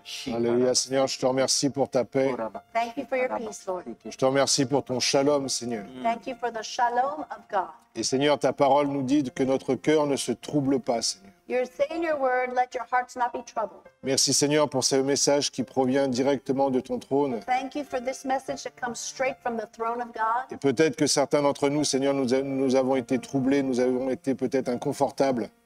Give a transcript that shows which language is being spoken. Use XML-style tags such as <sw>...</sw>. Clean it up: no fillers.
<fr>Alléluia, Seigneur, je te remercie pour ta paix.</fr> <en>Thank you for your peace, Lord.</en> <fr>Je te remercie pour ton shalom, Seigneur.</fr> <en>Thank you for the shalom of God.</en> <fr>Et Seigneur, ta parole nous dit que notre cœur ne se trouble pas, Seigneur.</fr> <en>You're saying your word, let your hearts not be troubled.</en> <fr>Merci, Seigneur, pour ce message qui provient directement de ton trône.</fr> <en>Thank you for this message that comes straight from the throne of God.</en> <fr>Et peut-être que certains d'entre nous, Seigneur, nous avons été troublés, nous avons été peut-être inconfortables.</fr>